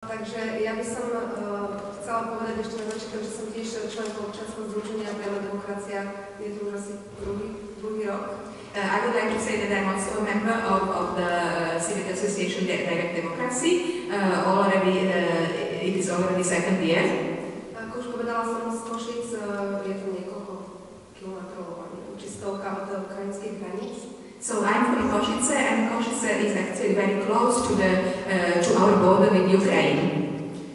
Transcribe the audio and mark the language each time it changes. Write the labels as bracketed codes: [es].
[sk] Takže ja by som chcela povedať ešte na začiatok, že som tiež členkou občianskeho združenia Priama demokracia, je to už asi druhý rok. [en] I would like to say that I'm also a member of the Civic Association Direct Democracy. It is already second year. [sk] Ako už povedala som z Košic, je to niekoľko kilometrov, či stovka od ukrajinských hraníc. [en] So I'm from Košice, and Košice is actually very close to the to our border with Ukraine.